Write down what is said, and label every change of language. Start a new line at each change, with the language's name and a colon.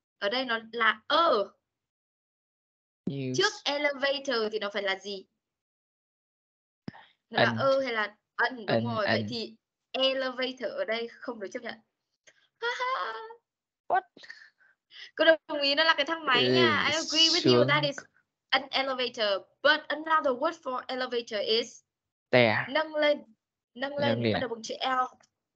Vietnamese: Ở đây nó là trước elevator thì nó phải là gì? Nó là hay là un, đúng rồi. Vậy thì elevator ở đây không được chấp nhận.
English: What?
Vietnamese: Cô đồng ý nó là cái thang máy nha.
English: I agree with you, that is an elevator. But another word for elevator is stair.
Vietnamese: Nâng lên, bắt đầu bằng chữ L.